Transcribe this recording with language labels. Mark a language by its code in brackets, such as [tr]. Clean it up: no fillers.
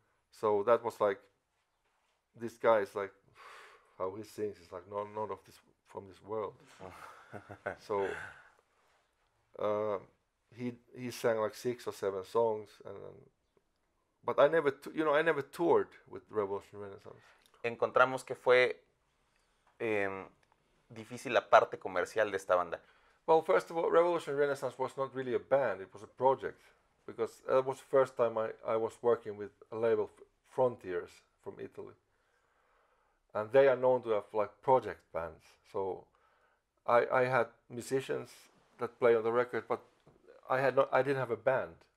[en] So that was like, this guy is like, how he sings is like not of this, from this world. So he sang like 6 or 7 songs, and but I never, you know, I never toured with Revolution Renaissance. [es] Encontramos que fue difícil la parte comercial de esta banda. [en] Well, first of all, Revolution Renaissance was not really a band; it was a project, because that was the first time I was working with a label, Frontiers from Italy, and they are known to have like project bands. So I had musicians that play on the record, but I didn't have a band.